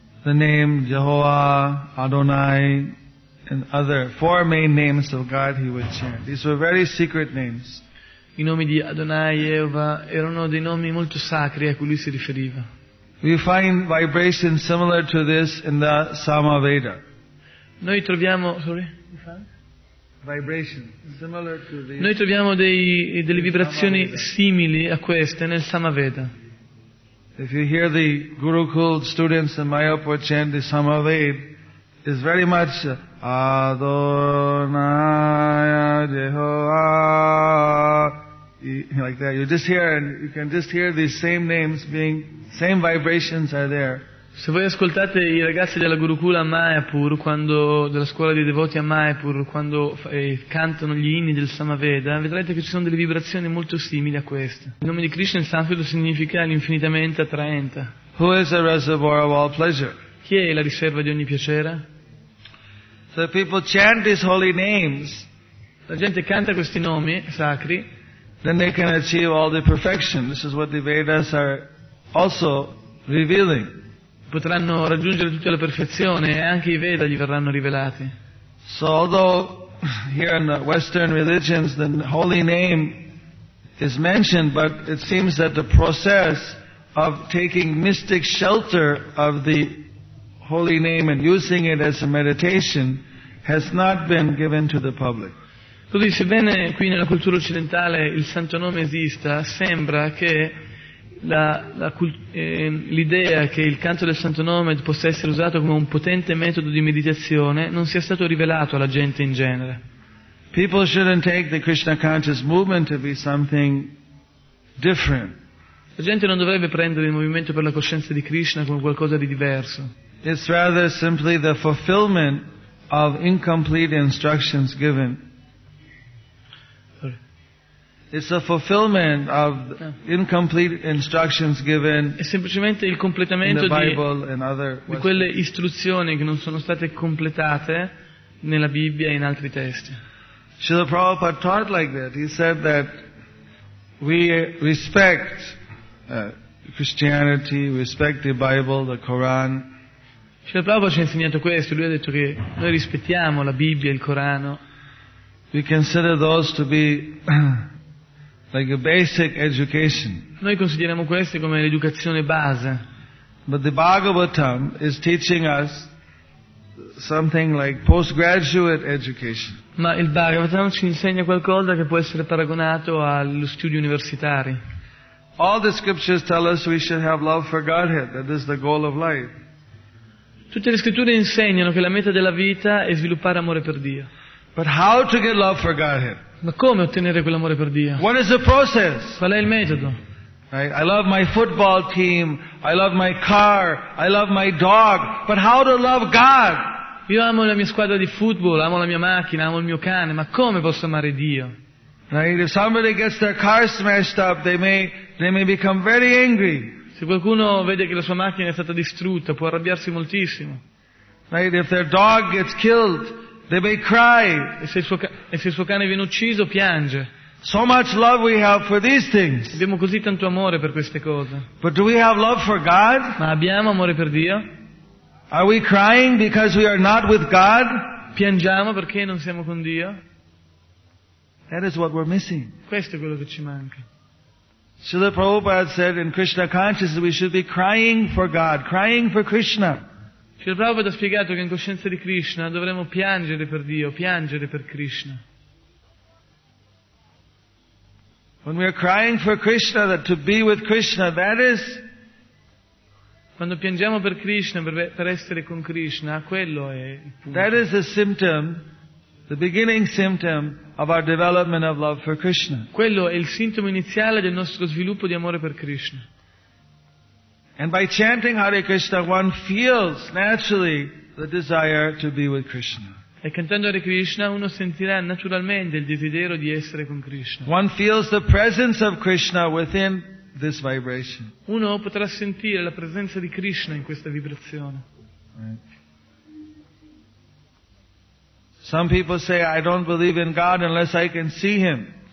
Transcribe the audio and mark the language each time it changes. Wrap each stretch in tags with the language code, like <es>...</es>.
<en>The name Jehovah, Adonai, and other four main names of God he would chant. These were very secret names.</en> <it>I nomi di Adonai e Jehovah erano dei nomi molto sacri a cui lui si riferiva.</it> <en>We find vibrations similar to this in the Samaveda.</en> <it>Noi troviamo, noi troviamo delle vibrazioni simili a queste nel Samaveda.</it> <en>If you hear the Gurukul students in Mayapur chant the Samaveda, it's very much Adonai Jehovah, like that. You just hear, and you can just hear these same names being, same vibrations are there.</en> <it>Se voi ascoltate i ragazzi della Gurukula a Mayapur, quando, della scuola dei devoti a Mayapur, quando cantano gli inni del Samaveda, vedrete che ci sono delle vibrazioni molto simili a queste. Il nome di Krishna in sanscrito significa l'infinitamente attraente.</it> <en>Who is the reservoir of all pleasure?</en> <it>Chi è la riserva di ogni piacere?</it> <en>The people chant these holy names.</en> <it>La gente canta questi nomi sacri.</it> <en>Then they can achieve all the perfection. This is what the Vedas are also revealing.</en> <it>Potranno raggiungere tutta la perfezione e anche i Veda gli verranno rivelati.</it> <en>So although here in the Western religions the holy name is mentioned, but it seems that the process of taking mystic shelter of the holy name and using it as a meditation has not been given to the public.</en> <it>Quindi, sebbene qui nella cultura occidentale il santo nome esista, sembra che l'idea che il canto del santo nome possa essere usato come un potente metodo di meditazione non sia stato rivelato alla gente in genere.</it> <en>People shouldn't take the Krishna conscious movement to be something different.</en> <it>La gente non dovrebbe prendere il movimento per la coscienza di Krishna come qualcosa di diverso.</it> <en>It's rather simply the fulfillment of incomplete instructions given. It's a fulfillment of incomplete instructions given.</en> <it>È semplicemente il completamento</it> <en>in the Bible and other</en> <it>di quelle istruzioni che non sono state completate nella Bibbia e in altri testi.</it> <en>Srila Prabhupada taught like that. He said that we respect Christianity, respect the Bible, the Quran.</en> <it>Srila Prabhupada ci ha insegnato questo. Lui ha detto che noi rispettiamo la Bibbia e il Corano.</it> <en>We consider those to be like a basic education.</en> <it>Noi consideriamo queste come l'educazione base.</it> <en>But the Bhagavatam is teaching us something like postgraduate education.</en> <it>Ma il Bhagavatam ci insegna qualcosa che può essere paragonato allo studio universitario.</it> <en>All the scriptures tell us we should have love for Godhead, that is the goal of life.</en> <it>Tutte le scritture insegnano che la meta della vita è sviluppare amore per Dio.</it> <en>But how to get love for Godhead?</en> <it>Ma come ottenere quell'amore per Dio?</it> <en>What is the process?</en> <it>Qual è il metodo?</it> <en>Right? I love my football team, I love my car, I love my dog, but how to love God?</en> <it>Io amo la mia squadra di football, amo la mia macchina, amo il mio cane, ma come posso amare Dio?</it> <en>Right? If somebody gets their car smashed up, they may become very angry.</en> <it>Se qualcuno vede che la sua macchina è stata distrutta, può arrabbiarsi moltissimo.</it> <en>Right? If their dog gets killed, they may cry.</en> <it>E se il suo cane viene ucciso, piange.</it> <en>So much love we have for these things.</en> <it>Abbiamo così tanto amore per queste cose.</it> <en>But do we have love for God?</en> <it>Ma abbiamo amore per Dio?</it> <en>Are we crying because we are not with God?</en> <it>Piangiamo perché non siamo con Dio?</it> <en>That is what we're missing.</en> <it>Questo è quello che ci manca.</it> <en>Srila Prabhupada said in Krishna consciousness we should be crying for God, crying for Krishna.</en> <it>Srila Prabhupada ha spiegato che in coscienza di Krishna dovremmo piangere per Dio, piangere per Krishna.</it> <en>When we are crying for Krishna, that to be with Krishna, that is.</en> <it>Quando piangiamo per Krishna, per essere con Krishna, quello è.</it> <en>That is the symptom, the beginning symptom of our development of love for Krishna.</en> <it>Quello è il sintomo iniziale del nostro sviluppo di amore per Krishna.</it> <en>And by chanting Hare Krishna, one feels naturally the desire to be with Krishna.</en> <it>E cantando Hare Krishna, uno sentirà naturalmente il desiderio di essere con Krishna.</it> <en>One feels the presence of Krishna within this vibration.</en> <it>Uno potrà sentire la presenza di Krishna in questa vibrazione.</it> <en>Right. Some people say, I don't believe in God unless I can see Him.</en>